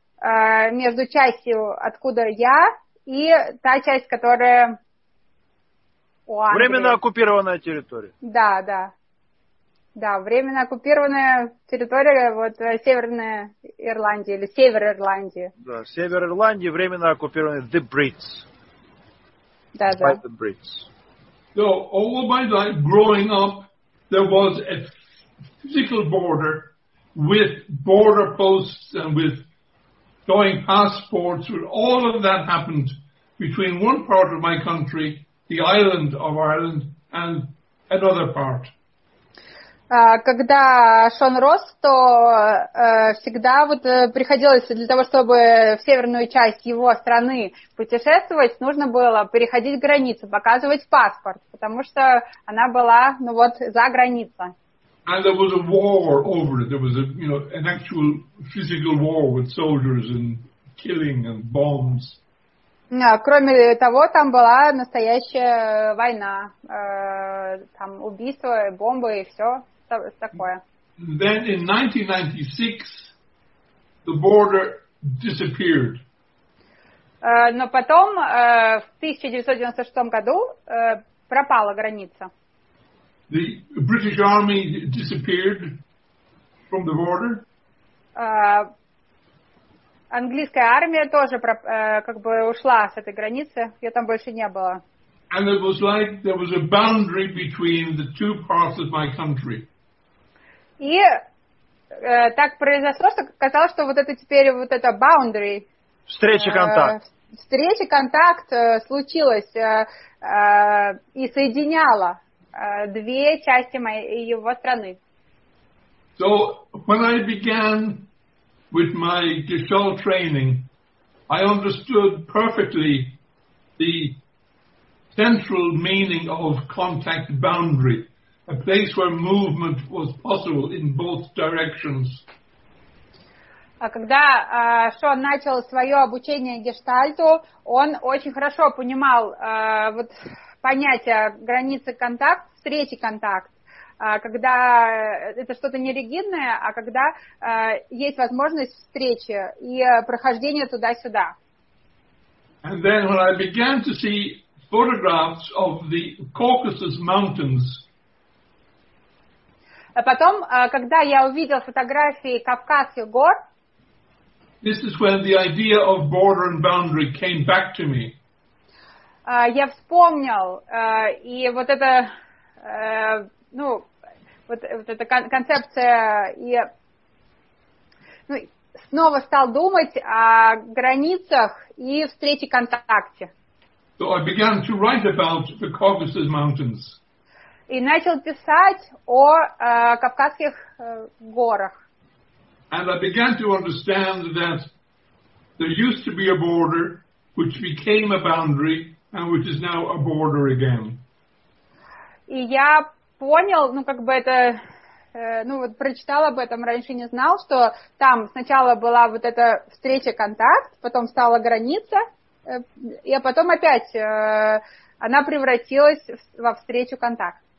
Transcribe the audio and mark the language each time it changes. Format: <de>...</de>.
<ru>Между частью, откуда я, и та часть, которая у Англии. Временно оккупированная территория. Да, да. Да, временно оккупированная территория, вот Северная Ирландия или Север Ирландии. Да, Север Ирландии, временно оккупированная,</ru> <en>the Brits.</en> <ru>Да, by да.</ru> <en>The Brits. So, all my life, growing up, there was a physical border with border posts and with going passports, all of that happened between one part of my country, the island of Ireland, and another part.</en> <ru>Когда Шон рос, то всегда вот приходилось для того, чтобы в северную часть его страны путешествовать, нужно было переходить границу, показывать паспорт, потому что она была, ну вот, за границей.</ru> <en>And there was a war over it. There was a, you know, an actual physical war with soldiers and killing and bombs.</en> <ru>No, кроме того, там была настоящая война. Там убийства, бомбы и все такое.</ru> <en>Then in 1996, the border disappeared.</en> <ru>Но потом, в 1996 году, пропала граница.</ru> <en>The British army disappeared from the border.</en> <ru>английская армия тоже как бы ушла с этой границы, ее там больше не было.</ru> <en>And it was like there was a boundary between the two parts of my country.</en> <ru>И так произошло, что казалось, что вот это теперь вот это boundary. Встреча-контакт случилась и соединяла две части моей его страны.</ru> <en>So when I began with my Gestalt training, I understood perfectly the central meaning of contact boundary, a place where movement was possible in both directions.</en> <ru>А когда Шон начал свое обучение гештальту, он очень хорошо понимал вот понятие границы контакт, встречи контакт, когда это что-то не ригидное, а когда есть возможность встречи и прохождения туда-сюда.</ru> <en>And then when I began to see photographs of the Caucasus Mountains.</en> <ru>А потом, когда я увидел фотографии Кавказских гор,</ru> <en>this is when the idea of border and boundary came back to me.</en> <ru>Я вспомнил, и вот это, ну, вот эта концепция, и ну, снова стал думать о границах и встрече контакте.</ru> <en>So I began to write about the Caucasus Mountains.</en> <ru>И начал писать о Кавказских горах.</ru> <en>And I began to understand that there used to be a border which became a boundary and which is now a border again.</en> <ru>И я понял, ну как бы это, ну вот прочитал об этом, раньше не знал, что там сначала была вот эта встреча-контакт, потом стала граница, и потом опять она превратилась во встречу-контакт.</ru>